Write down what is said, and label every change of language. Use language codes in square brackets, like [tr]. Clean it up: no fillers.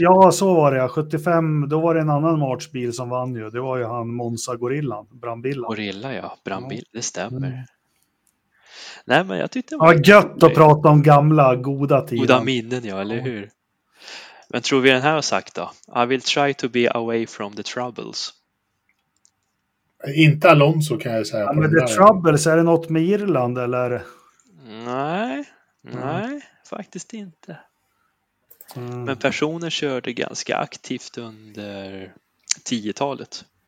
[sv] Ja, så var det. 75, då var det en annan matchbil som vann ju. Det var ju han Monza Gorillan, Brambilla. Gorilla, ja. Brambilla, ja. Det stämmer. Mm. Nej, men jag tyckte... Ja, gött att prata om gamla, goda tider. Goda minnen, ja, eller hur? Men tror vi den här har sagt då? [en] I will try to be away from the troubles. [sv] Inte Alonso kan jag säga. Ja, men [en] the troubles, [sv] är det något med Irland eller... Nej, nej, faktiskt inte. Mm. Men personer körde ganska aktivt under 10-talet.